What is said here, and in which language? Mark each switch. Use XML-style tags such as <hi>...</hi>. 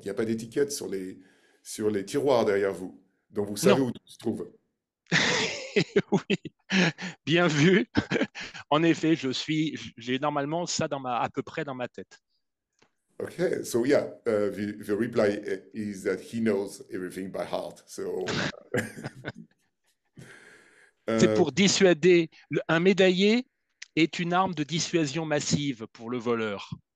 <fr>Il n'y a pas d'étiquette sur les tiroirs derrière vous. Donc vous savez non. Où tout se trouve. Oui, bien vu. En effet, j'ai normalement ça à peu près dans ma tête.</fr> <en>Okay, so yeah, the reply is that he knows everything by heart. So</en> <fr>c'est pour dissuader. Un médaillé est une arme de dissuasion massive pour le voleur.</fr>